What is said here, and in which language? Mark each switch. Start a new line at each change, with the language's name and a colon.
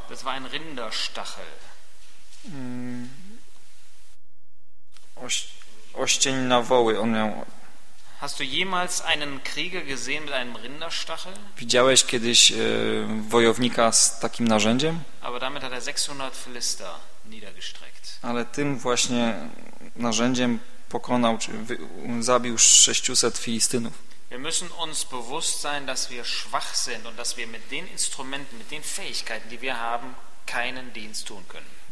German: Das war ein Rinderstachel.
Polish: Oścień na woły on miał.
German: Hast du jemals einen Krieger gesehen mit einem Rinderstachel?
Polish: Widziałeś kiedyś wojownika z takim narzędziem?
German: Aber damit hat er 600 Philister niedergestreckt.
Polish: Ale tym właśnie narzędziem pokonał czy zabił 600 Filistynów.
German: Wir müssen uns bewusst sein, dass wir schwach sind und dass wir mit den Instrumenten, mit den Fähigkeiten, die wir haben, keinen Dienst tun können.